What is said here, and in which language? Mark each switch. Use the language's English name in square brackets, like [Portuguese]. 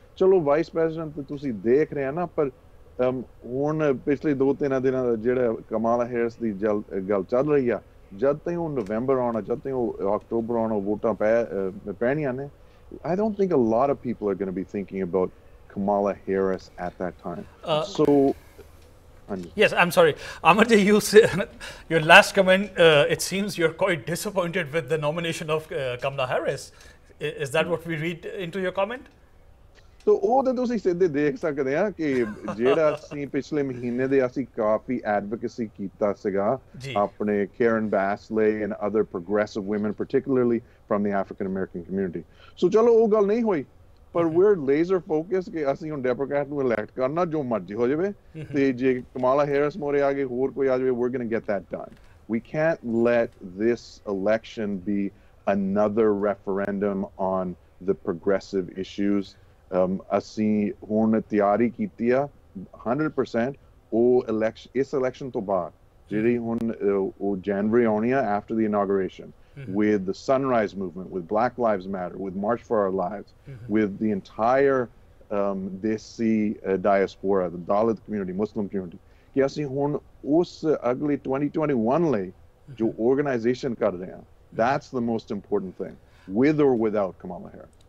[Punjabi] ਚਲੋ vice president ਤੁਸੀਂ ਦੇਖ ਰਹੇ ਆ ਨਾ, ਪਰ ਹੁਣ ਪਿਛਲੇ ਦੋ ਤਿੰਨ ਦਿਨਾਂ ਦਾ ਜਿਹੜਾ ਕਮਾਲਾ ਹੈਰਿਸ ਦੀ ਗੱਲ ਚੱਲ ਰਹੀ ਆ, ਜਦ ਤਾਈਂ ਉਹ ਨਵੰਬਰ ਆਉਣਾ, ਜਦ ਤਾਈਂ ਉਹ ਅਕਤੂਬਰ ਆਉਣਾ, ਵੋਟਾਂ ਪੈਣੀਆਂ ਨੇ. [English] I don't think a lot of people are going to be thinking about Kamala Harris at that time. So Yes, I'm sorry. Amar ji, you say, your last comment, it seems you're quite disappointed with the nomination of Kamala Harris. Is that what we read into your comment? So, oh, then you can see that we have been in the last month, we have been in advocacy for Karen Bassley and other progressive women, particularly from the African-American community. [Punjabi] So, chalo, oh, gal nahi hoi. ਪਰ [English] we are laser focus [Punjabi] ਕਿ ਅਸੀਂ ਹੁਣ Democrat ਨੂੰ elect ਕਰਨਾ ਜੋ ਮਰਜ਼ੀ ਹੋ ਜਾਵੇ, ਤੇ ਜੇ ਕਮਾਲਾ ਹੈਰਿਸ ਮੋਰੇ ਆ ਗਏ, ਹੋਰ ਕੋਈ ਆ ਜਾਵੇ, [English] We are going to get that done. We can't let this election be another referendum on the progressive issues. [Punjabi] ਅਸੀਂ ਹੁਣ ਤਿਆਰੀ ਕੀਤੀ ਆ 100% ਉਹ ਇਲੈਕਸ਼ਨ, ਇਸ ਇਲੈਕਸ਼ਨ ਤੋਂ ਬਾਅਦ ਜਿਹੜੀ ਹੁਣ ਉਹ ਜਨਵਰੀ ਆਉਣੀ ਆ [English] after the inauguration, with the Sunrise Movement, with Black Lives Matter, with March for Our Lives, with the entire Desi diaspora, the Dalit community, Muslim community, [Punjabi] ki assi hun us agle 2021 le jo organization kar rahe hain, [English] that's the most important thing, with or without Kamala Harris.